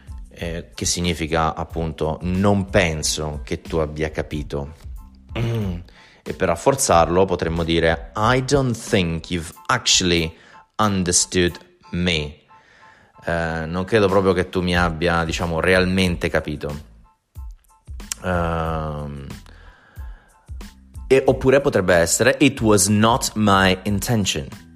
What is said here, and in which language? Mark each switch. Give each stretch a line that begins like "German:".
Italian: Che significa appunto: non penso che tu abbia capito. E per rafforzarlo potremmo dire:
English: I don't think you've actually understood me.
Italian: Non credo proprio che tu mi abbia, diciamo, realmente capito. Oppure potrebbe essere:
English: it was not my intention.